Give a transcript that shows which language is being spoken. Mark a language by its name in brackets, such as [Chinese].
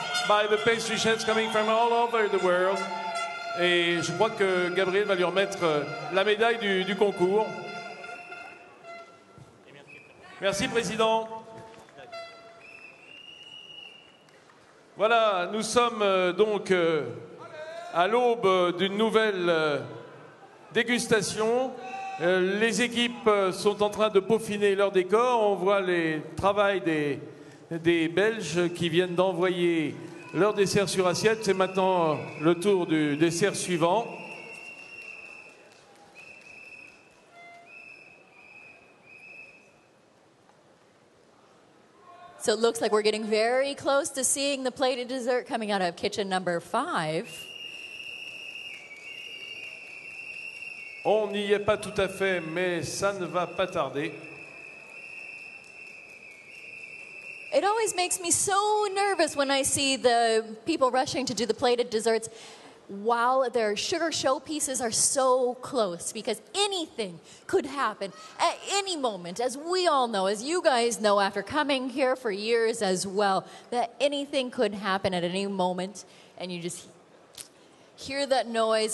[English] by the pastry chefs coming from all over the world. [French] Et je crois que Gabriel va lui remettre la médaille du concours. Merci, Président. Voilà, nous sommes donc à l'aube d'une nouvelle dégustation. Les équipes sont en train de peaufiner leur décor. On voit les travaux des Belges qui viennent d'envoyer leur dessert sur assiette. C'est maintenant le tour du dessert suivant. [English] So it looks like we're getting very close to seeing the plated dessert coming out of kitchen number 5. [French] On n'y est pas tout à fait, mais ça ne va pas tarder. [English] It always makes me so nervous when I see the people rushing to do the plated desserts while their sugar showpieces are so close, because anything could happen at any moment, as we all know, as you guys know after coming here for years as well, that anything could happen at any moment, and you just hear that noise.